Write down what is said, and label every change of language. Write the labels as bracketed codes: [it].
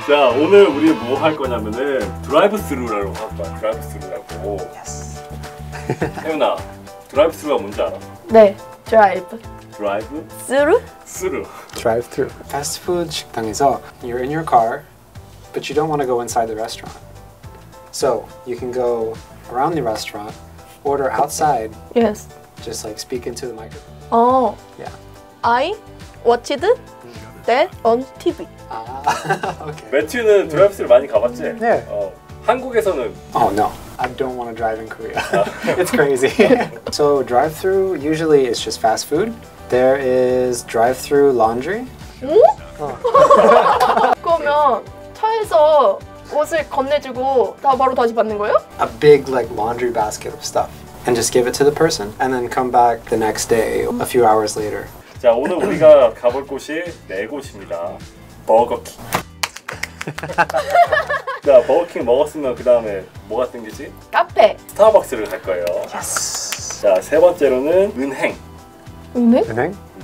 [ko] 자, 오늘 우리 뭐 할 거냐면은 드라이브 스루라고 할까? 드라이브 스루라고. [en] Yes. [ko] 태윤아, 드라이브 스루가 뭔지 알아? 네, 드라이브. 드라이브? 스루? 스루. [en] Drive through. [ko] 패스트푸드 식당에서 [en] you're in your car, but you don't want to go inside the restaurant. So, you can go around the restaurant, order outside. Yes. Just like speak into the microphone. Oh. Yeah. I watched that on TV. Ah, okay. [ko] 매튜는 드라이브스루 많이 가봤지? 네. Yeah. 어, 한국에서는? [en] Oh, no. I don't want to drive in Korea. It's crazy. So, drive-thru, usually it's just fast food. There is drive-thru laundry. [ko] 뭐? 그러면 차에서 옷을 건네주고 다 바로 다시 받는 거예요? [en] A big like laundry basket of stuff. And just give it to the person. And then come back the next day, a few hours later. [ko] 자, 오늘 우리가 가볼 곳이 네 곳입니다. 버거킹. 자, 버거킹 먹었으면 그 다음에 뭐가 생기지? 카페. 스타벅스를 갈 거예요. [en] Yes. [ko] 자, 세 번째로는 은행. 은행? 은행?